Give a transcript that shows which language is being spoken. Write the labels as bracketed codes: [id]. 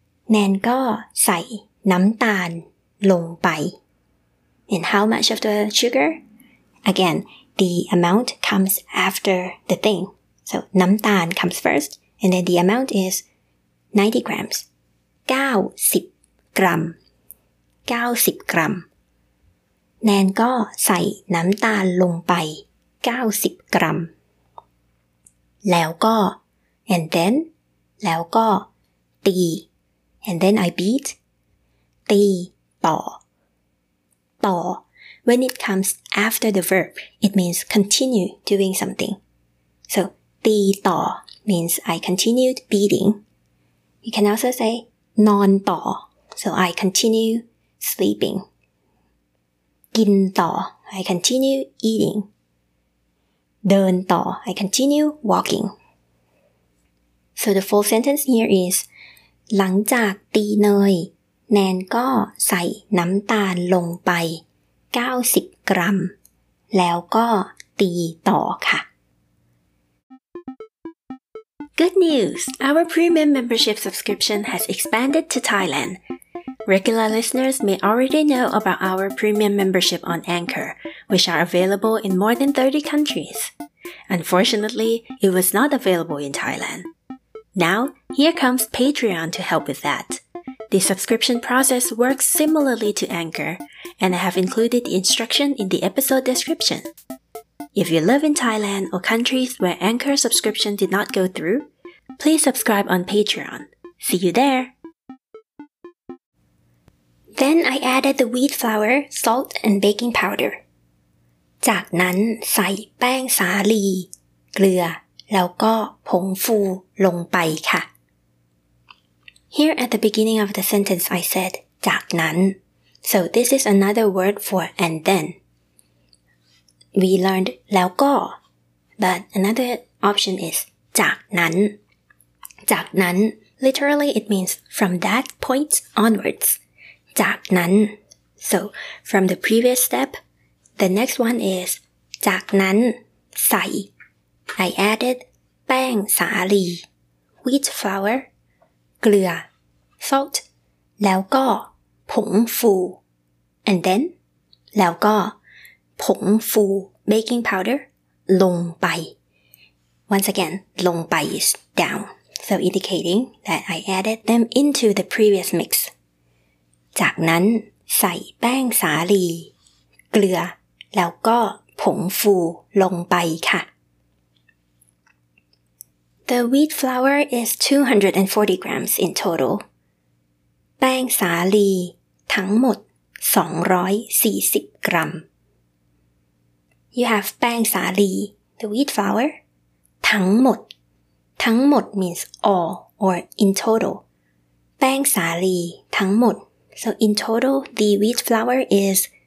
[th] แนนก็ใส่น้ำตาลลงไป [en] And how much of the sugar again the amount comes after the thing so น้ำตาล comes first and then the amount is 90 grams [th] 90กรัม90กรัมแนนก็ใส่น้ำตาลลงไป90กรัมแล้วก็ [en] and then [th] แล้วก็ตี [en] and then I beat [th] ตีต่อ [en] when it comes after the verb it means continue doing something so [th] ตีต่อ [en] means I continued beating you can also say [th] นอนต่อ [en] so I continue sleeping [th] กินต่อ [en] I continue eating [th] เดินต่อ [en] I continue walking so the full sentence here is [th] หลังจากตีเนยแนนก็ใส่น้ำตาลลงไป90กรัมแล้วก็ตีต่อค่ะ [en] Good news! Our premium membership subscription has expanded to Thailand. Regular listeners may already know about our premium membership on Anchor, which are available in more than 30 countries. Unfortunately, it was not available in Thailand. Now, here comes Patreon to help with that. The subscription process works similarly to Anchor, and I have included the instruction in the episode description. If you live in Thailand or countries where Anchor subscription did not go through, please subscribe on Patreon. See you there! Then I added the wheat flour, salt, and baking powder. [th] จากนั้นใส่แป้งสาลีเกลือแล้วก็ผงฟูลงไปค่ะ [en] Here at the beginning of the sentence I said [th] จากนั้น [en] So this is another word for and then. We learned แล้วก็ But another option is [th] จากนั้น [en] จากนั้น Literally it means from that point onwards [th] จากนั้น [en] So, from the previous step, the next one is [th] จากนั้นใส่ [en] I added [th] แป้งสาลี [en] wheat flour [th] เกลือ [en] salt [th] แล้วก็ผงฟู [en] and then [th] แล้วก็ผงฟู [en] baking powder ลงไป Once again, ลงไป is down So indicating that I added them into the previous mix [th] จากนั้นใส่แป้งสาลีเกลือแล้วก็ผงฟูลงไปค่ะ [en] The wheat flour is 240 grams in total. [th] แป้งสาลีทั้งหมด240กรัม [en] You have แป้งสาลี the wheat flour [th] ทั้งหมดทั้งหมด [en] means all or in total. [th] แป้งสาลีทั้งหมด [en] So in total, the wheat flour is